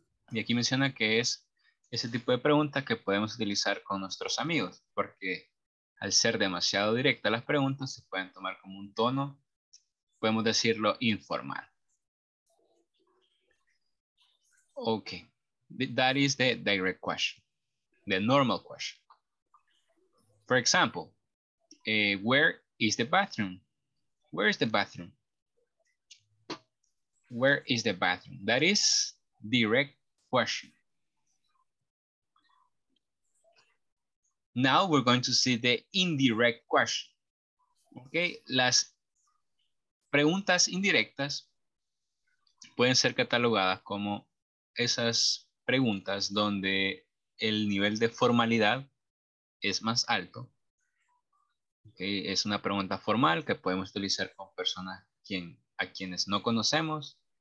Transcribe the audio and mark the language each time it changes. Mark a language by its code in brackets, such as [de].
[es] Y aquí menciona que es ese tipo de pregunta que podemos utilizar con nuestros amigos, porque al ser demasiado directa las preguntas se pueden tomar como un tono, podemos decirlo, informal. [en] Okay, that is the direct question, the normal question. For example, where is the bathroom? Where is the bathroom? Where is the bathroom? That is direct question. Now we're going to see the indirect question. [es] Okay, las preguntas indirectas pueden ser catalogadas como esas preguntas donde el nivel de formalidad es más alto. Okay, es una pregunta formal que podemos utilizar con personas a quienes no conocemos.